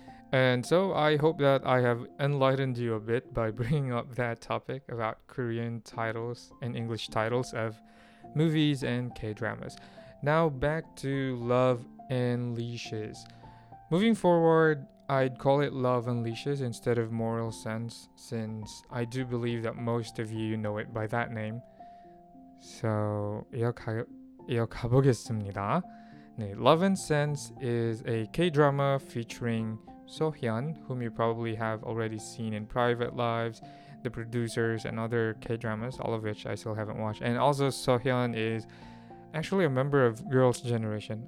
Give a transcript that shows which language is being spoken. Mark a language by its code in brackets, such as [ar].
[en] And so I hope that I have enlightened you a bit by bringing up that topic about Korean titles and English titles of movies and K-dramas. Now back to Love and Leashes. Moving forward, I'd call it Love and Leashes instead of Moral Sense, since I do believe that most of you know it by that name. [ko] So, 이어가보겠습니다. [en] 네, Love and Sense is a K-drama featuring Sohyun, whom you probably have already seen in Private Lives, The Producers, and other K-dramas, all of which I still haven't watched. And also, Sohyun is actually a member of Girls' Generation.